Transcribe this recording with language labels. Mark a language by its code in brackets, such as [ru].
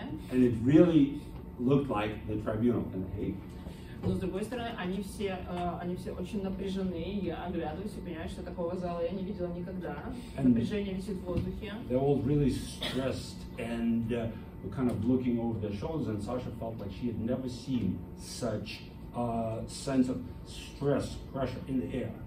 [en] And it really looked like the tribunal in Hague. [ru] Но с другой стороны, они все очень напряжены. Я оглядываюсь и понимаю, что такого зала я не видела никогда. And напряжение висит в воздухе. [en] They're all really stressed and kind of looking over their shoulders, and Sasha felt like she had never seen such a sense of stress, pressure in the air.